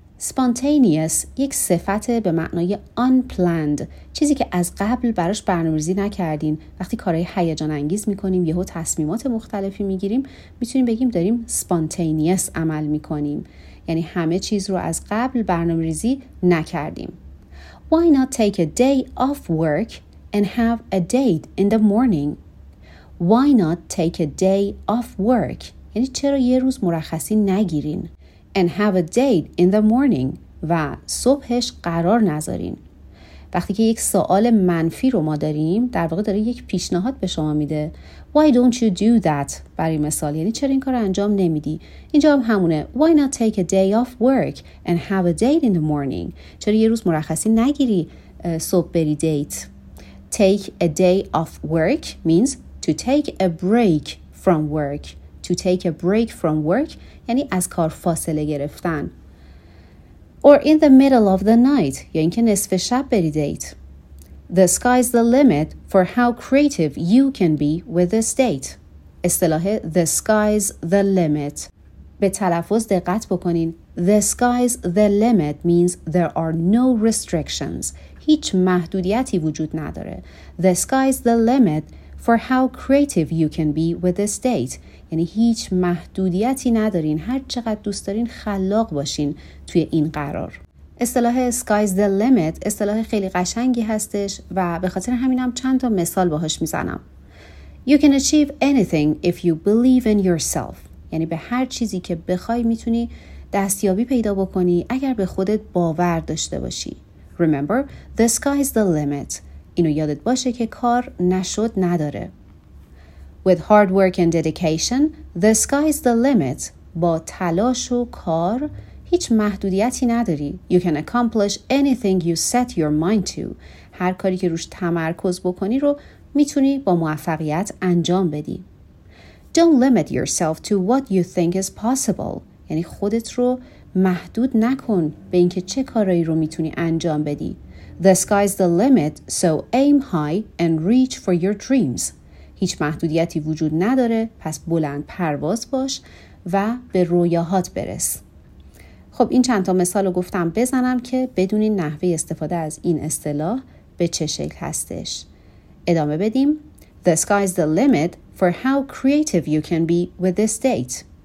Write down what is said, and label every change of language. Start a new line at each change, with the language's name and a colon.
Persian: Spontaneous یک صفت به معنای unplanned، چیزی که از قبل براش برنامه‌ریزی نکردین. وقتی کارهای هیجان انگیز می‌کنیم، یهو تصمیمات مختلفی می‌گیریم، می‌تونیم بگیم داریم spontaneous عمل می‌کنیم، یعنی همه چیز رو از قبل برنامه‌ریزی نکردیم.
English: Why not take a day off work and have a date in the morning? Why not take a day off work؟
Persian: یعنی چرا یه روز مرخصی نگیرین؟
English: And have a date in the morning.
Persian: و صبحش قرار نذارین. وقتی که یک سوال منفی رو ما داریم، در واقع داره یک پیشنهاد به شما میده.
English: Why don't you do that؟
Persian: برای مثال، یعنی چرا این کار انجام نمیدی؟ اینجا هم همونه.
English: Why not take a day off work and have a date in the morning؟
Persian: چرا یه روز مرخصی نگیری صبح بری دیت؟
English: Take a day off work means to take a break from work. To take a break from work
Persian: یعنی از کار فاصله گرفتن.
English: Or in the middle of the night،
Persian: یا اینکه نصف شب بری دیت.
English: The sky's the limit for how creative you can be with this date.
Persian: اصطلاح
English: the sky's the limit،
Persian: به تلفظ دقت بکنین.
English: The sky's the limit means there are no restrictions،
Persian: هیچ محدودیتی وجود نداره.
English: The sky's the limit for how creative you can be with this date،
Persian: یعنی هیچ محدودیتی ندارین، هر چقدر دوست دارین خلاق باشین توی این قرار. اصطلاح
English: sky's the limit
Persian: اصطلاح خیلی قشنگی هستش و به خاطر همینم چند تا مثال باهاش میزنم.
English: You can achieve anything if you believe in yourself،
Persian: یعنی به هر چیزی که بخوای میتونی دستیابی پیدا بکنی اگر به خودت باور داشته باشی.
English: Remember the sky's the limit،
Persian: اینو یادت باشه که کار نشد نداره.
English: With hard work and dedication, the sky's the limit.
Persian: با تلاش و کار هیچ محدودیتی نداری.
English: You can accomplish anything you set your mind to.
Persian: هر کاری که روش تمرکز بکنی رو میتونی با موفقیت انجام بدی.
English: Don't limit yourself to what you think is possible.
Persian: یعنی خودت رو محدود نکن به اینکه چه کارایی رو میتونی انجام بدی.
English: The sky's the limit, so aim high and reach for your dreams.
Persian: هیچ محدودیتی وجود نداره، پس بلند پرواز باش و به رویاهات برس. خب این چند تا مثال رو گفتم بزنم که بدونین نحوه استفاده از این اصطلاح به چه شکل هستش. ادامه بدیم.
English: The sky's the limit for how creative you can be with this date.